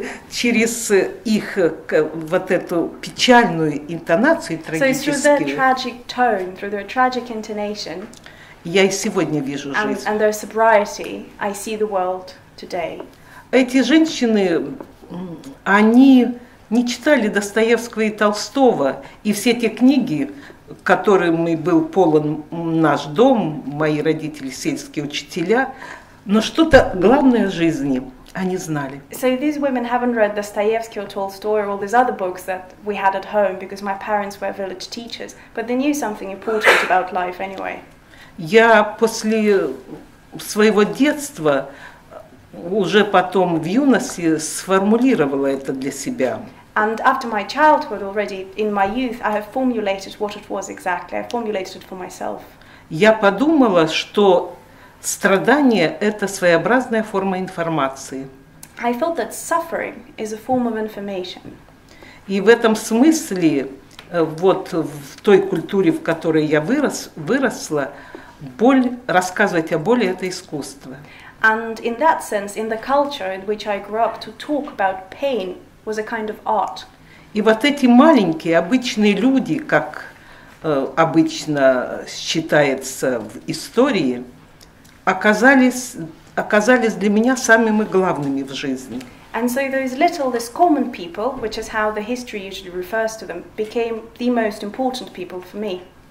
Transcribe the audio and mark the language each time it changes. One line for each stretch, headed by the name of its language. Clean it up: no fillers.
Russian: Через их вот эту печальную интонацию трагическую.
English: So through their tragic tone, through their tragic intonation.
Russian: Я и сегодня вижу жизнь.
English: And their sobriety, I see the world today.
Russian: эти женщины, они не читали Достоевского и Толстого, и все те книги, которыми был полон наш дом, мои родители, сельские учителя, но что-то главное в жизни они знали.
English: So these women haven't read Dostoevsky or Tolstoy or all these other books that we had at home because my parents were village teachers, but they knew something important about life anyway.
Russian: Я после своего детства уже потом в юности сформулировала это для себя.
English: And after my childhood, already in my youth, I have formulated what it was exactly. I formulated it for myself.
Russian: Я подумала, что страдание – это своеобразная форма информации.
English: I felt that suffering is a form of information.
Russian: И в этом смысле, вот в той культуре, в которой я выросла, боль, рассказывать о боли – это искусство.
English: And in that sense, in the culture in which I grew up, to talk about pain was a kind of art.
Russian: И вот эти маленькие, обычные люди, как обычно считается в истории, оказались для меня самыми главными в жизни.
English: And so those little, these common people, which is how the history usually refers to them, became the most important people for me.